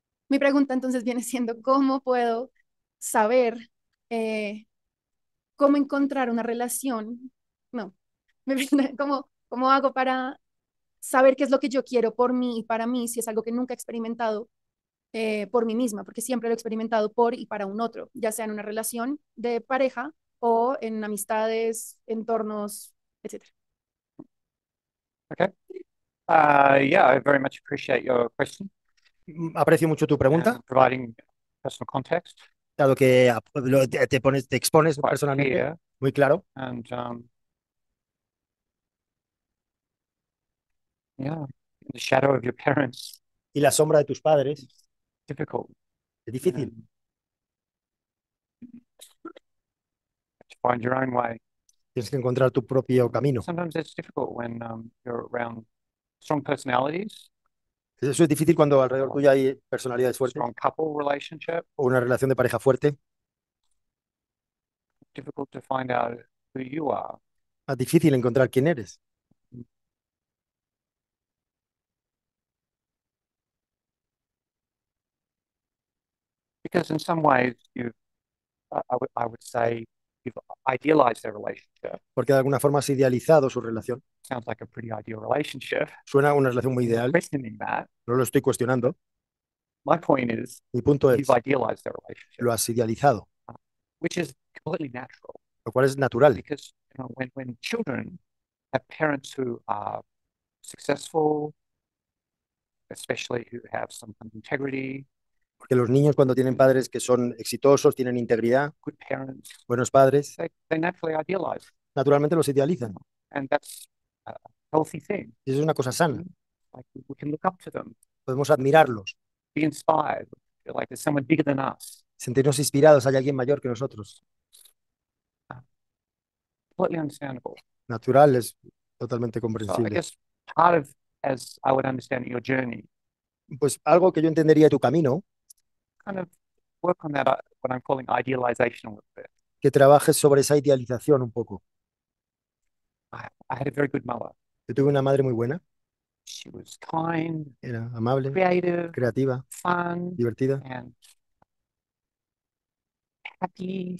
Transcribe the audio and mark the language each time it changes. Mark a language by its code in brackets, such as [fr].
[es] Mi pregunta entonces viene siendo, ¿cómo puedo saber cómo encontrar una relación? No, ¿cómo hago para saber qué es lo que yo quiero por mí y para mí, si es algo que nunca he experimentado por mí misma, porque siempre lo he experimentado por y para un otro, ya sea en una relación de pareja o en amistades, entornos, etc. [en] Okay. I very much appreciate your question. [es] Aprecio mucho tu pregunta. [en] Providing personal context. [es] Dado que te expones personalmente, clear, muy claro. [en] And, yeah, the shadow of your parents. [es] Y la sombra de tus padres. [en] Difficult. [es] Es difícil. [en] To find your own way. [es] Tienes que encontrar tu propio camino. [en] Sometimes it's difficult when you're around strong personalities. [es] Eso es difícil cuando alrededor tuyo hay personalidades fuertes. [en] Strong couple relationship. [es] O una relación de pareja fuerte. [en] Difficult to find out who you are. [es] Es difícil encontrar quién eres. [en] Because in some ways you've, I would say you've idealize their relationship. [es] Porque de alguna forma has idealizado su relación. [en] Sounds like a pretty ideal relationship. [es] Suena a una relación muy ideal. [en] Questioning that. [es] No lo estoy cuestionando. [en] My point is, [es] mi punto es, [en] you've idealized their relationship. [es] Lo has idealizado. [en] Which is completely natural. [es] Lo cual es natural. [en] Because you know, when children have parents who are successful, especially who have some kind of integrity. [es] Porque los niños cuando tienen padres que son exitosos, tienen integridad, [en] good parents, [es] buenos padres, [en] they naturally idealize. [es] Naturalmente los idealizan. [en] And that's a healthy thing. [es] Y eso es una cosa sana. [en] Like we can look up to them. [es] Podemos admirarlos. [en] Be inspired. Feel like there's someone bigger than us. [es] Sentirnos inspirados, hay alguien mayor que nosotros. [en] Completely understandable. [es] Natural, es totalmente comprensible. [en] So I guess part of, as I would understand your journey, [es] pues algo que yo entendería de tu camino, [en] kind of work on that, what I'm calling idealization a little bit. [es] Que trabajes sobre esa idealización un poco. [en] I had a very good mother. [es] Yo tuve una madre muy buena. [en] She was kind, [es] era amable, [en] creative, [es] creativa, [en] fun, [es] divertida, [en] and happy,